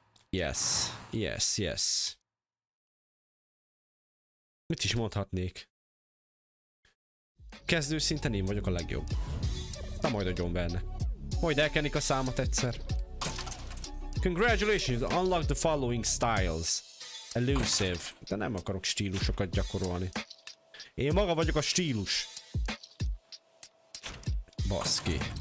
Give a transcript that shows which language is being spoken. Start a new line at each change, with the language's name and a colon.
English: Yes, yes, yes.
Hungarian: Mit is mondhatnék? Kezdő szinten én vagyok a legjobb. Na majd a gyomberne. Majd elkenik a számot egyszer.
English: Congratulations, unlock the following styles. Elusive.
Hungarian: De nem akarok stílusokat gyakorolni. Én maga vagyok a stílus. Baszki.